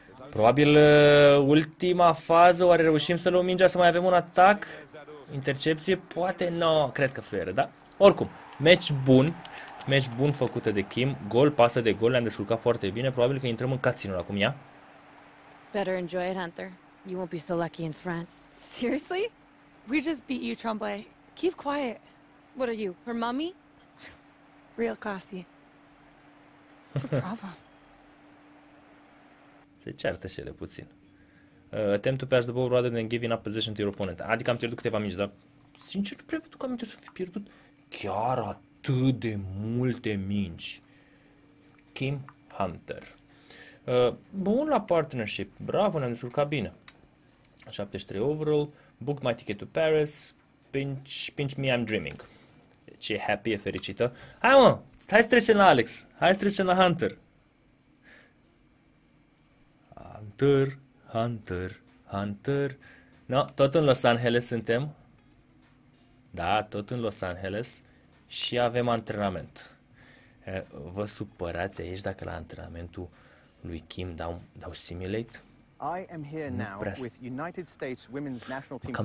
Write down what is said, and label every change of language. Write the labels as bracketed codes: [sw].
[ro] Probabil ultima fază, oare reușim să luăm mingea, să mai avem un atac? Intercepție? Poate nu, no, cred că fluieră, da? Oricum, meci bun. Meci bun făcută de Kim. Gol, pasă de gol, le-am descurcat foarte bine. Probabil că intrăm în cazinul acum, ia. [en] Better enjoy it, Hunter. You won't be so lucky in France. Seriously? We just beat you, Tremblay. Keep quiet. What are you, her mommy? Real classy. What's the problem? [ro] Se ceartă și ele puțin. [en] Attempt to pass the ball rather than giving up possession to your opponent. [ro] Adică am pierdut câteva mingi, dar sincer nu prea pentru că aminte să fi pierdut chiar atât de multe mingi. Kim Hunter. Bun la partnership. Bravo, ne-am descurcat bine. [en] 73 overall. Book my ticket to Paris. Pinch me, I'm dreaming. [ro] Deci e happy, e fericită. Hai mă, hai să trecem la Alex. Hai să trecem la Hunter. Hunter, Hunter, Hunter. No, tot în Los Angeles suntem. Da, tot în Los Angeles. Și avem antrenament. Vă supărați aici dacă la antrenamentul lui Kim dau simulate? [en] I am here now with United States Women's National Team